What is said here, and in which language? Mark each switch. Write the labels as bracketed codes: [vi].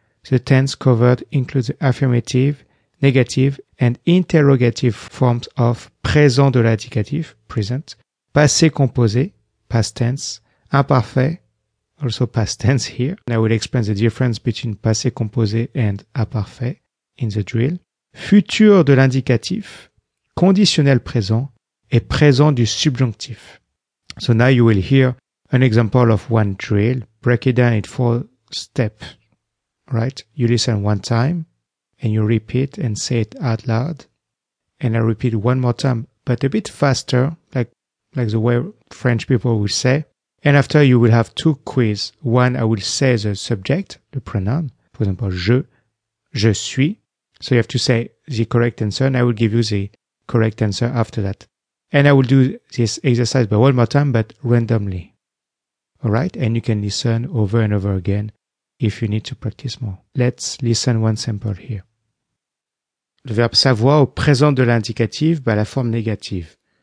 [en] The tense covered includes the affirmative, negative, and interrogative forms of présent de l'indicatif, present, passé composé, past tense, imparfait, also past tense here. And I will explain the difference between passé composé and imparfait in the drill. [fr] Futur de l'indicatif, conditionnel présent, et présent du subjonctif. [en] So now you will hear an example of one drill. Break it down in 4 steps, right? You listen one time and you repeat and say it out loud. And I repeat one more time, but a bit faster, like the way French people will say. And after you will have 2 quizzes. One, I will say the subject, the pronoun. For example, [fr] je suis. [en] So you have to say the correct answer and I will give you the correct answer after that. And I will do this exercise by one more time, but randomly. All right? And you can listen over and over again if you need to practice more. Let's listen one sample here. [fr] Le verbe savoir au présent de l'indicatif, la forme négative.